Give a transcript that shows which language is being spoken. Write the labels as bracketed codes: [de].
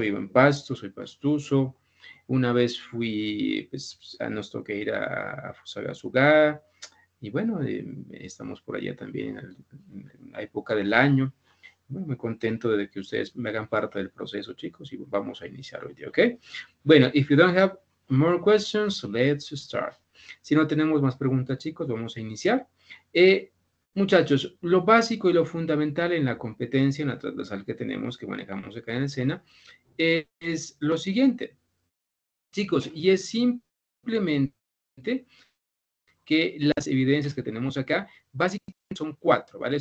[es] Vivo en Pasto, soy pastuso. Una vez fui, pues nos toqué ir a Fusagasugá. Y bueno, estamos por allá también en la época del año. Bueno, muy contento de que ustedes me hagan parte del proceso, chicos, y vamos a iniciar hoy día, ¿ok? Bueno, [en] if you don't have more questions, let's start. [es] Si no tenemos más preguntas, chicos, vamos a iniciar. Muchachos, lo básico y lo fundamental en la competencia, en la transversal que tenemos, que manejamos acá en escena, es lo siguiente. Chicos, y es simplemente que las evidencias que tenemos acá, básicamente son 4, ¿vale?